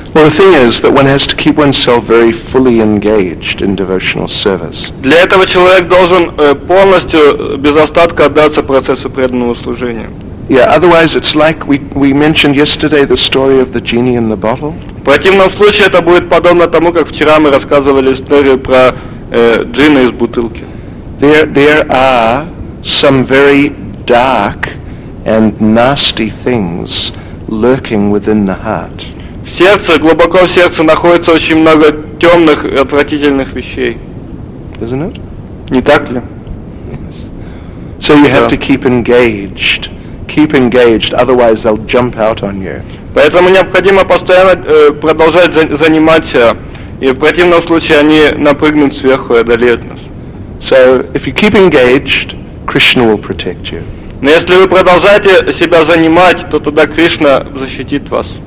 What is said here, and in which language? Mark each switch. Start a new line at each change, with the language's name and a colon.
English: Well, the thing is that one has to keep oneself very fully engaged in devotional service.
Russian: Для этого человек должен полностью без остатка отдаться процессу преданного служения.
English: Yeah, otherwise it's like we mentioned yesterday the story of the genie in the bottle.
Russian: В противном случае это будет подобно тому, как вчера мы рассказывали историю про джинна из бутылки.
English: There are some very dark and nasty things lurking within the heart.
Russian: В сердце, глубоко в сердце находится очень много темных и отвратительных вещей.
English: Isn't it?
Russian: Не так ли?
English: Yes. So you have to keep engaged. Keep engaged, otherwise they'll jump out on you.
Russian: Поэтому необходимо постоянно продолжать заниматься, и в противном случае они напрыгнут сверху и одолеют нас.
English: So if you keep engaged, Krishna will protect you.
Russian: Но если вы продолжаете себя занимать, то тогда Кришна защитит вас.